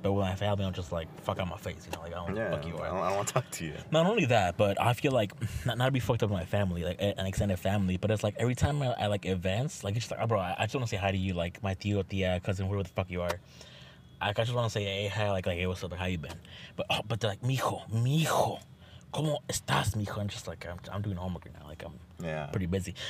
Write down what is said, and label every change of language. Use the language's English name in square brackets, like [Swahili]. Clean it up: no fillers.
[English] But when I fail, I'm just, like, fuck out my face, you know? Like, I don't fuck you. I don't want to talk to you. Not only that, but I feel like, not to be fucked up with my family, like, an extended family, but it's, like, every time I like, events, like, it's just, like, oh, bro, I just want to say hi to you, like, my tío, tía, cousin, whoever the fuck you are. I just want to say, hey, hi, like, hey, what's up, like, how you been? But they're, like, [Spanish] mijo, ¿cómo estás, mijo? [English] I'm just, like, I'm doing homework right now, like, I'm pretty busy.